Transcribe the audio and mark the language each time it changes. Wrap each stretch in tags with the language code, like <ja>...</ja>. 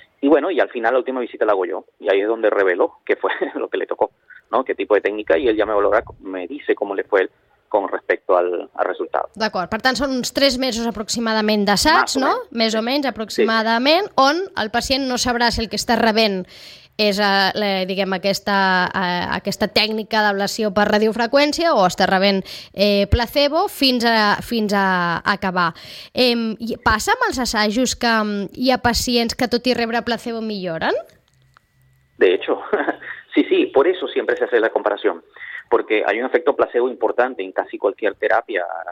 <es>Y bueno, y al final la última visita la hago yo, y ahí es donde reveló qué fue lo que le tocó, ¿no? Qué tipo de técnica, y él ya me valora, me dice cómo le fue con respecto al resultado.</es> <ca>D'acord, per tant, són uns 3 mesos aproximadament d'assaig, no? Més o menys, aproximadament, sí. On el pacient no sabrà si el que està rebent és diguem, aquesta tècnica d'ablació per radiofreqüència o està rebent placebo fins a acabar. Passa amb els assajos que hi ha pacients que tot i rebre placebo milloren?</ca> <es>De hecho, sí, por eso siempre se hace la comparación, porque hay un efecto placebo importante en casi cualquier terapia.</es>